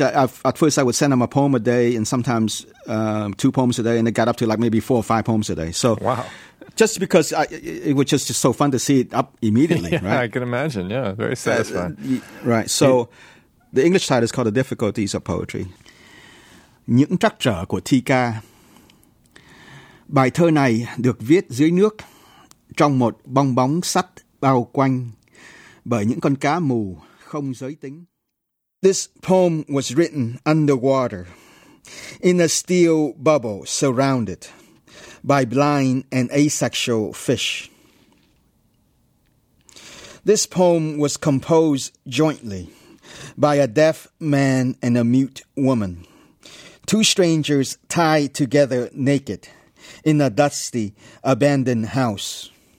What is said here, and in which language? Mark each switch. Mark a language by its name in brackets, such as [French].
[English] At first, I would send them a poem a day and sometimes two poems a day, and it got up to like maybe four or five poems a day. So wow. Just because it was just so fun to see it up immediately, yeah, right? I can imagine, yeah. Very satisfying. Right. So the English title is called The Difficulties of Poetry. [Vietnamese] Những trắc trở của thi ca. Bài thơ này được viết dưới nước, trong một bong bóng sắt bao quanh, bởi những con cá mù không giới tính. [English] This poem was written underwater, in a steel bubble surrounded by blind and asexual fish. This poem was composed jointly by a deaf man and a mute woman, two strangers tied together naked, in a dusty, abandoned house.